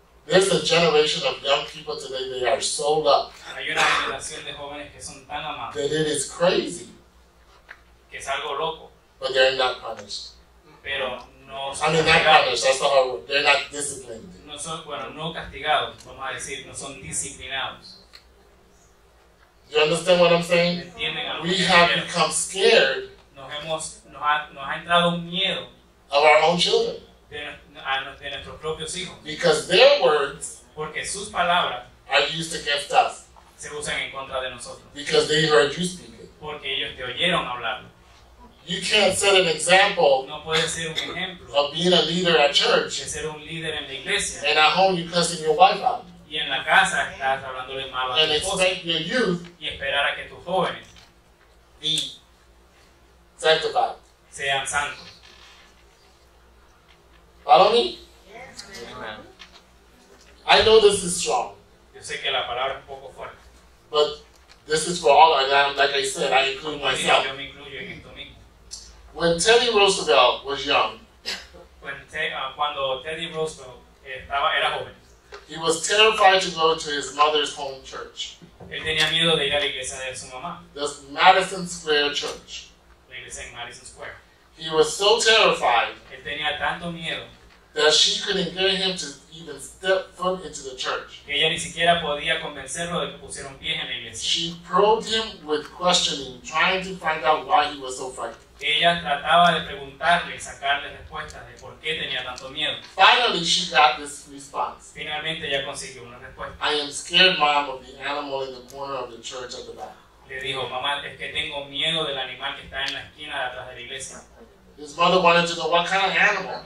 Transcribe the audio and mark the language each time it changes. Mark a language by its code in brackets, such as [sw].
[en] There's a generation of young people today, they are so loved. [es] Hay una generación de jóvenes que son tan amados. [en] That it is crazy. [es] Que es algo loco. [en] But they're not punished. [es] Pero no son castigados. [en] That's not how they're not disciplined. [es] No castigados, vamos a decir, no son disciplinados. [en] You understand what I'm saying? We have [es] quiero. [en] Become scared [es] nos ha entrado un miedo [en] of our own children. [es] de nuestros propios hijos. [en] Because their words, [es] porque sus palabras, [en] are used against us, [es] se usan en contra de nosotros. [en] Because they heard you speak it, [es] porque ellos te oyeron hablarlo. [en] You can't set an example, [es] no puedes ser un ejemplo, [en] of being a leader at church, [es] de ser un líder en la iglesia, [en] and at home you're cussing your wife out. [es] Y en la casa estás hablándole mal a [en] and [es] tu esposa, [en] expect your youth, [es] y esperar a que tus jóvenes [en] be sanctified, [es] sean santos. [en] Follow me? Yes. I know this is strong. [es] Yo sé que la palabra es un poco fuerte. [en] But this is for all, and I'm, like I said, I include [es] como [en] myself. [es] Yo me incluyo en esto mismo. [en] When Teddy Roosevelt was young, [es] cuando Teddy Roosevelt estaba, era joven, [en] he was terrified to go to his mother's home church. [es] Él tenía miedo de ir a la iglesia de su mamá. [en] The Madison Square Church. [es] La iglesia en Madison Square. [en] He was so terrified, [es] él tenía tanto miedo, [en] that she couldn't get him to even step foot into the church. [es] Ella ni siquiera podía convencerlo de que pusiera un pie en la iglesia. [en] She probed him with questioning, trying to find out why he was so frightened. [es] Ella trataba de preguntarle, sacarle respuestas de por qué tenía tanto miedo. [en] Finally, she got this response. [es] Finalmente, ella consiguió una respuesta. [en] I am scared, mom, of the animal in the corner of the church at the back. [es] Le dijo, mamá, es que tengo miedo del animal que está en la esquina de atrás de la iglesia. [en] His mother wanted to know what kind of animal.